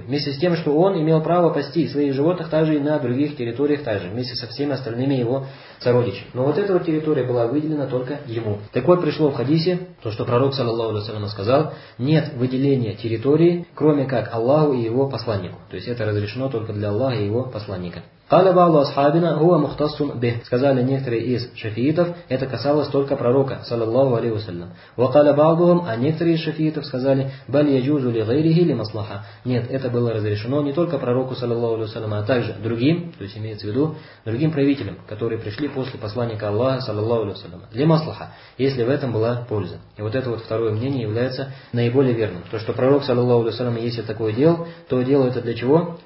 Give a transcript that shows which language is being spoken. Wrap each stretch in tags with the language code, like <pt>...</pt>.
<ru>Вместе с тем, что он имел право пасти своих животных также и на других территориях также, вместе со всеми остальными его сородичами. Но вот эта вот территория была выделена только ему. Так вот, пришло в хадисе то, что пророк, саллаллаху алейхи ва саллям, сказал: нет выделения территории, кроме как Аллаху и его посланнику. То есть это разрешено только для Аллаха и его посланника.</ru> <ar>قال بعض أصحابنا هو مختص به.</ar> <ru>Сказали некоторые из шафиитов, это касалось только пророка, саллаллаху алейхи ва саллям.</ru> <ar>وقال بعضهم,</ar> <ru>а некоторые из шафиитов сказали:</ru> <ar>بل يجوز لغيره لمصلحة.</ar> <ru>Нет, это было разрешено не только пророку, саллаллаху алейхи ва саллям, а также другим, то есть имеется в виду другим правителям, которые пришли после посланника Аллаха, саллаллаху алейхи ва саллям, لمصلحة, если в этом была польза. И вот это вот второе мнение является наиболее верным. То, что пророк, саллаллаху алейхи ва саллям, если такое делал, то делал это для чего?</ru>